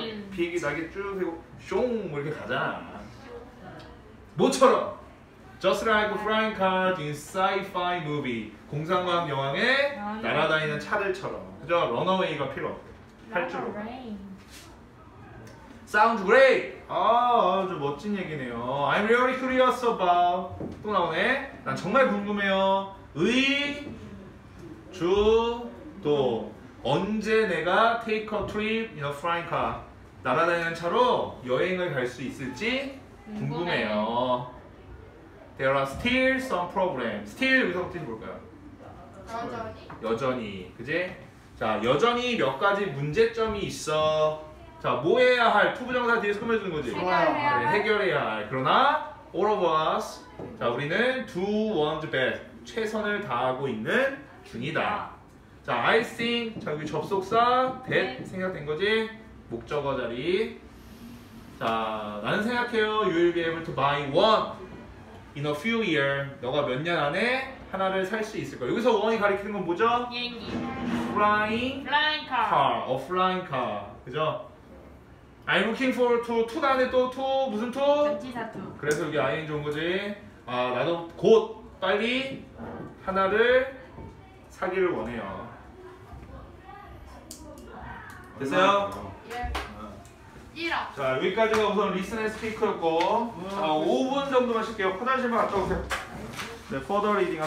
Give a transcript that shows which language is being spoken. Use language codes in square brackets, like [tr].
[ko] 비행기 날개 쭉 세고 쇽 이렇게 가잖아. 모처럼. [en] Just like a flying car in sci-fi movie. [ko] 공상과학 영화에 날아다니는 차들처럼. 그죠? 런어웨이가 필요 없대. 활주로. [en] Sounds great! [ko] 아, 아주 멋진 얘기네요. [en] I'm really curious about. [ko] 또 나오네. 난 정말 궁금해요. 의, 주, 도. 언제 내가 [en] take a trip in a flying car. [ko] 날아다니는 차로 여행을 갈 수 있을지 궁금해요. [en] There are still some problems. [ko] Still, 여기서 어떻게 볼까요? 여전히. 여전히. 그지? 자, 여전히 몇 가지 문제점이 있어. 자, 뭐 해야 할? 투부정사 뒤에 소매 주는 거지? 해결해야 할. 네, 해결해야 할. 그러나 [en] all of us. [ko] 자, 우리는 [en] do one's best. [ko] 최선을 다하고 있는 중이다. [en] 자, I think. [ko] 자, 여기 접속사 that 네. 생각된 거지? 목적어 자리. 자, 나는 생각해요. [en] You'll be able to buy one in a few years. [ko] 너가 몇 년 안에 하나를 살 수 있을 거야. 여기서 원이 가리키는 건 뭐죠? 비행기. [en] Flying car. Car. A flying car. [ko] 그죠? [en] I'm looking for to, to가 안에 또 to, 무슨 to? [ko] 전치사 to. 그래서 여기 ing 좋은 거지. 아, 나도 곧 빨리 하나를 사기를 원해요. 됐어요? 예. 1억. 자, 여기까지가 우선 listen and speak였고, 자, 5분 정도만 쉴게요. 포털 질문 갔다 오세요. 네, 포털 리딩 갔다 오세요.